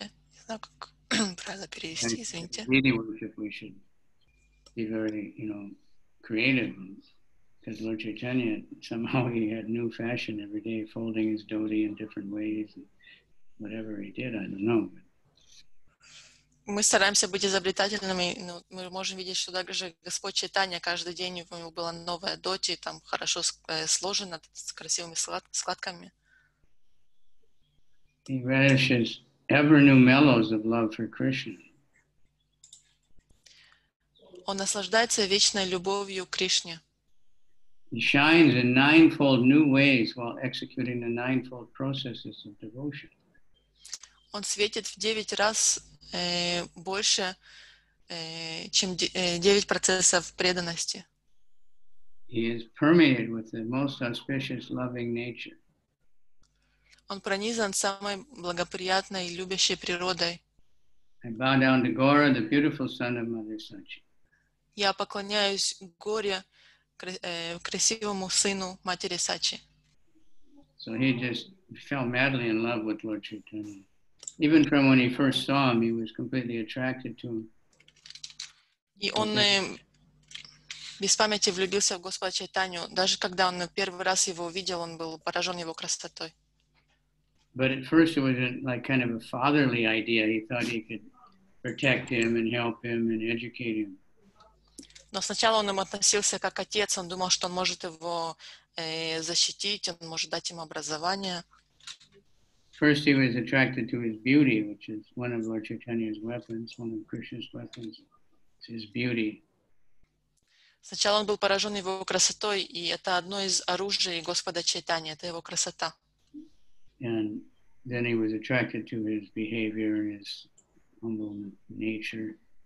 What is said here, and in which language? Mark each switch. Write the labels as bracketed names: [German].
[Russian] Не знаю, как правильно перевести, извините. [English] Really, worship, we should be very, you know, creative, because Lord Chaitanya somehow he had new fashion every day, folding his dhoti in different ways. Whatever he did, I don't know. [Russian] Мы стараемся быть изобретательными, но мы можем видеть, что также Господь Чайтанья каждый день у него была новая доти, там хорошо сложена, с красивыми складками. [English] He relishes ever new mellows of love for Krishna. [Russian] Он наслаждается вечной любовью к Кришне. [English] He shines in ninefold new ways while executing the ninefold processes of devotion. [Russian] Он светит в 9 раз больше, чем 9% преданности. [English] He is permeated with the most auspicious loving nature. [Russian] Он пронизан самой благоприятной и любящей природой. [English] I bow down to Gaura, the beautiful son of Mother Sachi. [Russian] Я поклоняюсь Горе, красивому сыну матери Сачи. [English] So he just fell madly in love with Lord Chaitanya. Even from when he first saw him, he was completely attracted to him. [Russian] И он без памяти влюбился в Господа Чайтанью. Даже когда он первый раз его увидел, он был поражен его красотой. [English] But at first it was like kind of a fatherly idea. He thought he could protect him and help him and educate him. [Russian] Но сначала он им относился как отец. Он думал, что он может его защитить, он может дать ему образование. [English] First he was attracted to his beauty, which is one of Lord Chaitanya's weapons, one of Krishna's weapons. His beauty. [Russian] Сначала он был поражен его красотой, и это одно из оружий Господа Чайтани, это его красота. [English] And then he was attracted to his behavior and his humble nature.